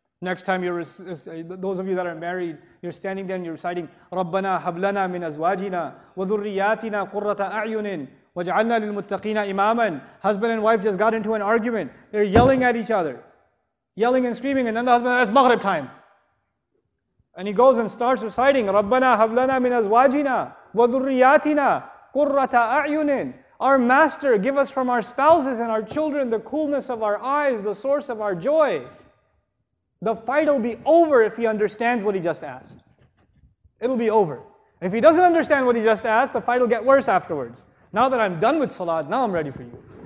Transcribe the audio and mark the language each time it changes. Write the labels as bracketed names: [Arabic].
[English] Next time you're, those of you that are married, you're standing there and you're reciting, [Arabic] رَبَّنَا هَبْلَنَا مِنْ أَزْوَاجِنَا وَذُرِّيَّاتِنَا قُرَّةَ أَعْيُنٍ وَجَعَلْنَا لِلْمُتَّقِينَ إِمَامًا. [English] Husband and wife just got into an argument. They're yelling at each other. Yelling and screaming, and then the husband says, it's Maghrib time. And he goes and starts reciting, [Arabic] رَبَّنَا هَبْلَنَا مِنْ أَزْوَاجِنَا وَذُرِّيَّاتِنَا قُرَّةَ أَعْيُنٍ. [English] Our Master, give us from our spouses and our children the coolness of our eyes, the source of our joy. The fight will be over if he understands what he just asked. It'll be over. If he doesn't understand what he just asked, the fight will get worse afterwards. Now that I'm done with Salat, now I'm ready for you.